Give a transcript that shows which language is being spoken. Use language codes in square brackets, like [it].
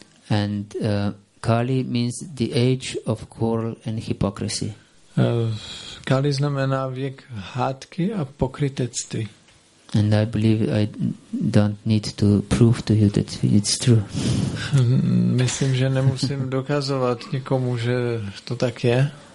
[en] And Kali means the age of quarrel and hypocrisy. [cs] Kali znamená věk hádky a pokrytectví. [en] And I believe I don't need to prove to you that it's true. [cs] Myslím, že nemusím dokazovat nikomu, že to tak je.